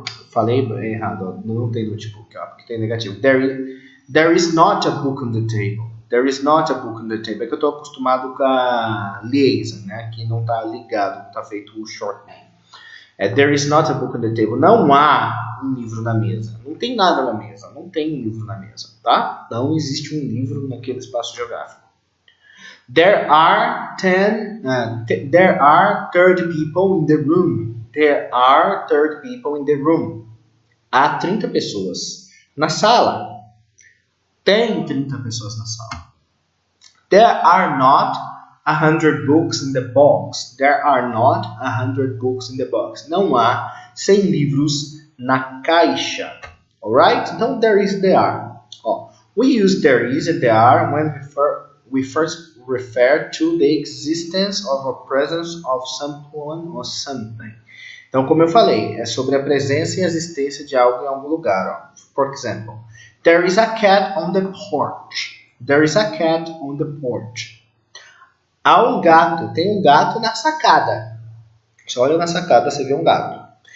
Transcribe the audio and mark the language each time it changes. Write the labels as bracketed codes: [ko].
[pt] Falei errado, não tem notebook, ó, porque tem negativo. [en] There is not a book on the table. There is not a book on the table. [pt] É que eu estou acostumado com a liaison, né? Que não está ligado, não está feito o shorthand. [en] É, there is not a book on the table. [pt] Não há um livro na mesa. Não tem nada na mesa. Não tem um livro na mesa, tá? Não existe um livro naquele espaço geográfico. [en] There are 30 people in the room. There are 30 people in the room. [pt] Há 30 pessoas na sala. Tem 30 pessoas na sala. [en] There are not 100 books in the box. There are not 100 books in the box. [pt] Não há 100 livros na caixa. [en] Alright? [pt] Então, [en] there is, there are. Oh, we use there is and there are when we first refer to the existence or a presence of someone or something. [pt] Então, como eu falei, é sobre a presença e a existência de algo em algum lugar. Ó. [en] For example, there is a cat on the porch. There is a cat on the porch. [pt] Há um gato, tem um gato na sacada. Você olha na sacada, você vê um gato.